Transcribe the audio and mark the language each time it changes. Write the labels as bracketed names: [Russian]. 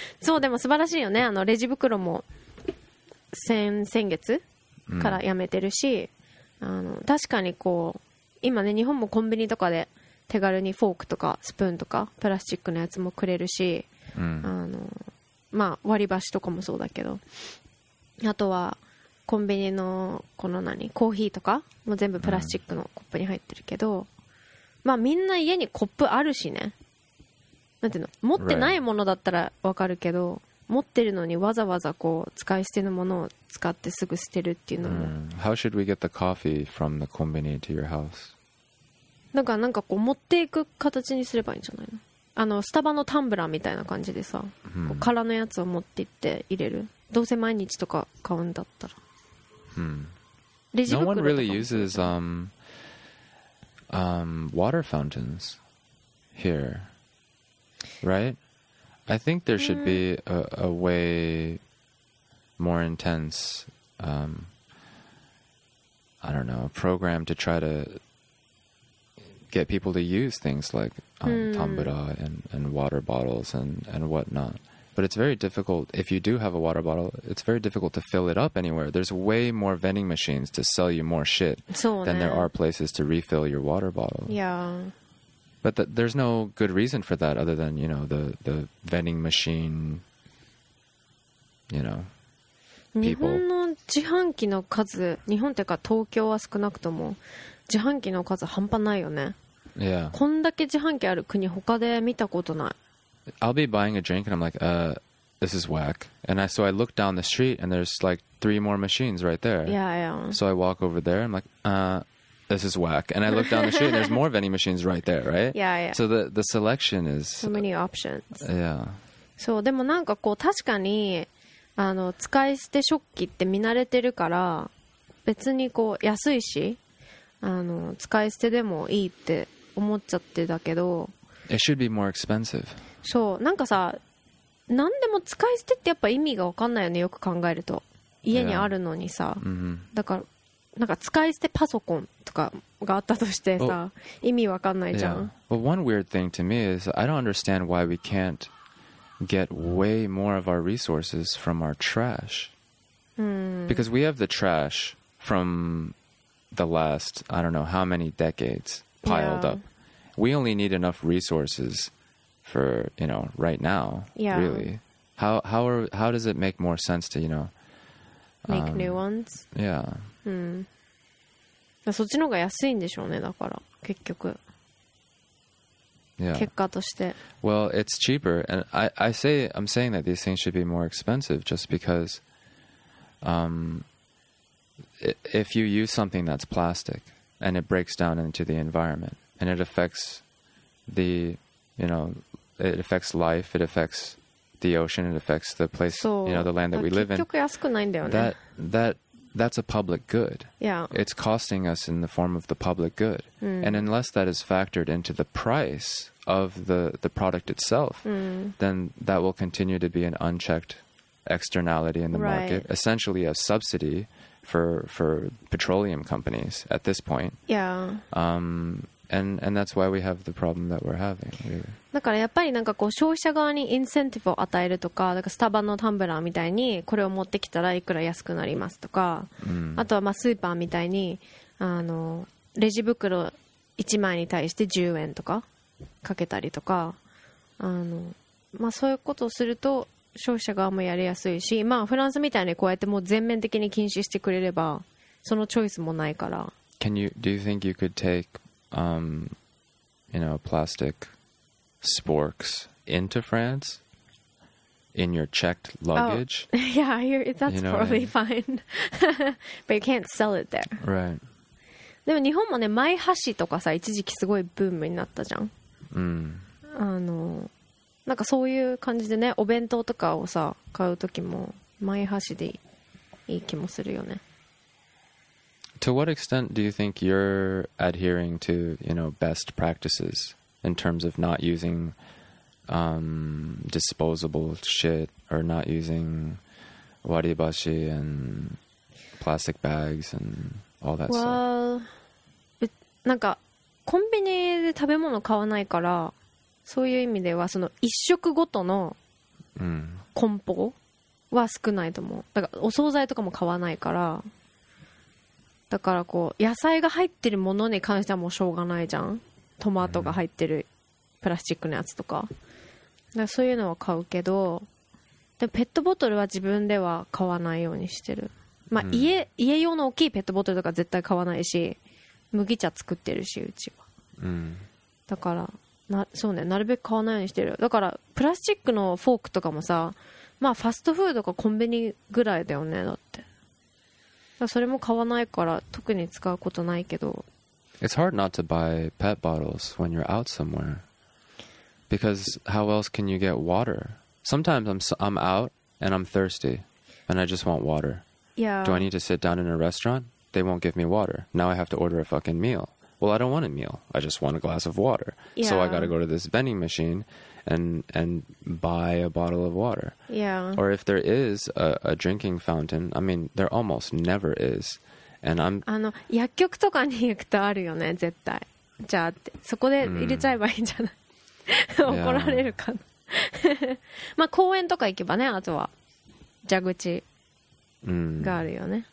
[Japanese] そう、でも素晴らしいよね。レジ袋も先月からやめてるし、確かにこう今ね、日本もコンビニとかで手軽にフォークとかスプーンとかプラスチックのやつもくれるし、まあ割り箸とかもそうだけど、あとはコンビニのこの何コーヒーとかも全部プラスチックのコップに入ってるけど、まあみんな家にコップあるしね。なんていうの、持ってないものだったらわかるけど、持ってるのにわざわざこう使い捨てのものを使ってすぐ捨てるっていうのも。 [English] How should we get the coffee from the convenience to your house? [Japanese] なんかこう持っていく形にすればいいんじゃないの？スタバのタンブラーみたいな感じでさ、空のやつを持って行って入れる。どうせ毎日とか買うんだったら。レジ袋とか。 [English] No one really uses water fountains here, right? I think there should be a way more intense, I don't know, a program to try to get people to use things like tambura and water bottles and whatnot. But it's very difficult, if you do have a water bottle, it's very difficult to fill it up anywhere. There's way more vending machines to sell you more shit than there are places to refill your water bottle. Yeah. But there's no good reason for that other than, you know, the vending machine, you know, people. [Japanese] 日本の自販機の数、日本ってか東京は少なくとも、自販機の数半端ないよね。 [English] Yeah. [Japanese] こんだけ自販機ある国他で見たことない。 [English] I'll be buying a drink and I'm like, this is whack. So I look down the street and there's like three more machines right there. Yeah, yeah. So I walk over there and I'm like, this is whack. And I look down the street and there's more vending machines right there, right? Yeah, yeah. So the selection is... So many options. Yeah. [Japanese] そう、でもなんかこう確かにあの使い捨て食器って見慣れてるから別にこう安いしあの使い捨てでもいいって思っちゃってたけど [English] It should be more expensive. [Japanese] そう、なんかさ何でも使い捨てってやっぱ意味が分かんないよね、よく考えると家にあるのにさ、 [English] yeah. mm-hmm. [Japanese] だからなんか使い捨てパソコンとかがあったとしてさ、oh. 意味分かんないじゃん、 [English] yeah. But one weird thing to me is I don't understand why we can't get way more of our resources from our trash、 mm. because we have the trash from the last I don't know how many decades piled、yeah. up we only need enough resources for you know right now、 yeah. really how does it make more sense to you know make new ones yeah [Japanese] うん、そっちの方が安いんでしょうねだから結局、 [English] yeah. [Japanese] 結果として [English] Well, it's cheaper And I'm saying that these things should be more expensive Just because、If you use something that's plastic And it breaks down into the environment And it affects the You know It affects life It affects the ocean It affects the place You know, the land that we live in [Japanese] 結局安くないんだよね [English] That's a public good. Yeah. It's costing us in the form of the public good.、 Mm. And unless that is factored into the price of the product itself,、 mm. then that will continue to be an unchecked externality in the、 right. market, essentially a subsidy for petroleum companies at this point. Yeah. And that's why we have the problem that we're having.、Really. [Japanese] だからやっぱりなんかこう消費者側にインセンティブを与えるとか、だからスタバのタンブラーみたいにこれを持ってきたらいくら安くなりますとか、うん、あとはまあスーパーみたいにあのレジ袋1枚に対して10円とかかけたりとか、あのまあそういうことをすると消費者側もやりやすいし、まあフランスみたいにこうやってもう全面的に禁止してくれればそのチョイスもないから。 [English] Do you think you could take, you know, plasticSporks into France in your checked luggage. Oh, yeah, that's you know probably I mean? fine. But you can't sell it there. Right. [Japanese] でも日本もね、マイ箸とかさ、一時期すごいブームになったじゃん。うん。あの、なんかそういう感じでね、お弁当とかをさ、買うときも、マイ箸でいい気もするよね。 [English] To what extent do you think you're adhering to, you know, best practices? In terms of not using、disposable shit or not using waribashi and plastic bags and all that well, stuff. [Japanese] Well, なんかコンビニで食べ物買わないから、そういう意味ではその一食ごとの梱包は少ないと思う。だからお惣菜とかも買わないから、だからこう野菜が入ってるものに関してはもうしょうがないじゃん。トマトが入ってるプラスチックのやつと か, だからそういうのは買うけど、でペットボトルは自分では買わないようにしてる、まあ 家用の大きいペットボトルとか絶対買わないし、麦茶作ってるしうちは、だからそうね、なるべく買わないようにしてる。だからプラスチックのフォークとかもさ、まあファストフードかコンビニぐらいだよね。だってだそれも買わないから特に使うことないけど、 [English] It's hard not to buy PET bottles when you're out somewhere. Because how else can you get water? Sometimes I'm out and I'm thirsty and I just want water. Yeah. Do I need to sit down in a restaurant? They won't give me water. Now I have to order a fucking meal. Well, I don't want a meal. I just want a glass of water. Yeah. So I got to go to this vending machine and buy a bottle of water. Yeah. Or if there is a drinking fountain, I mean, there almost never is. And I'm... [Japanese] あの薬局とかに行くとあるよね絶対。じゃあそこで入れちゃえばいいんじゃない、怒られるかな。まあ公園とか行けばね、あとは蛇口があるよね。